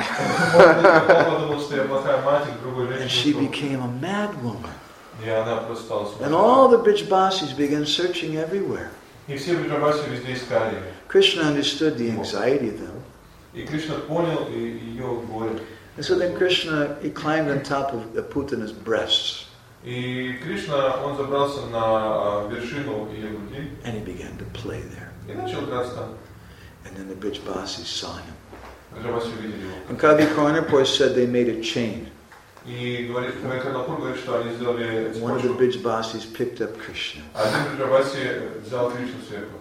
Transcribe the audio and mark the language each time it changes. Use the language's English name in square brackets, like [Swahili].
[English] And she became a mad woman. And all the Brijbasis began searching everywhere. Krishna understood the anxiety of them. And so then Krishna, he climbed on top of Putana's breasts. [Russian] И Кришна, он забрался на вершину Ягуди. [English] And he began to play there. [Russian] И начал играть там. [English] And then the Brijbasi saw him. [Russian] Брижбаси увидели его. [English] And Kavi Karnapur said they made a chain. [Russian] И говорит, Кавья Карнапур говорит, что они сделали цепочку. [English] One of the Brijbasis picked up Krishna. [Russian] Один Брижбаси взял Кришну сверху.